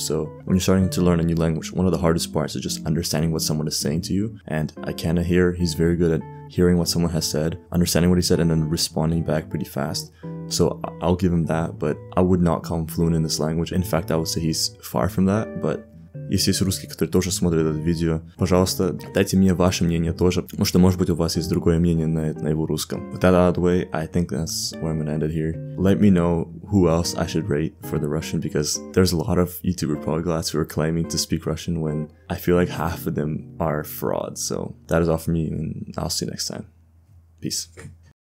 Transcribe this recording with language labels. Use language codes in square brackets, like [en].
[en] So when you're starting to learn a new language, one of the hardest parts is just understanding what someone is saying to you. And I kind of hear he's very good at hearing what someone has said, understanding what he said, and then responding back pretty fast. So I'll give him that, but I would not call him fluent in this language. In fact, I would say he's far from that, but... [ru] Если есть русские, которые тоже смотрят это видео, пожалуйста, дайте мне ваше мнение тоже. Потому что, может быть, у вас есть другое мнение на его русском. [en] With that out of the way, I think that's where I'm gonna end it here. Let me know who else I should rate for the Russian, because there's a lot of YouTuber polyglots who are claiming to speak Russian when I feel like half of them are frauds. So that is all for me, and I'll see you next time. Peace.